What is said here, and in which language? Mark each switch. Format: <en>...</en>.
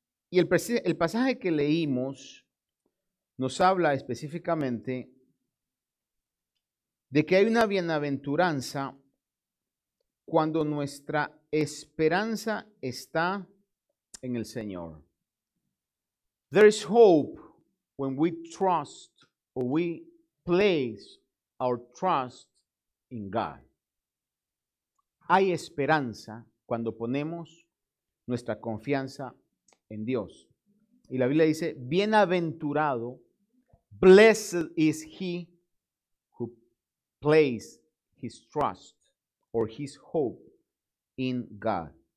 <es>Y el pasaje que leímos nos habla específicamente de que hay una bienaventuranza cuando nuestra esperanza está en el Señor.</es> <en>There is hope when we trust or we place our trust in God.</en> <es>Hay esperanza cuando ponemos nuestra confianza en Dios. Y la Biblia dice, bienaventurado,</es> <en>blessed is he who places his trust or his hope in God.</en>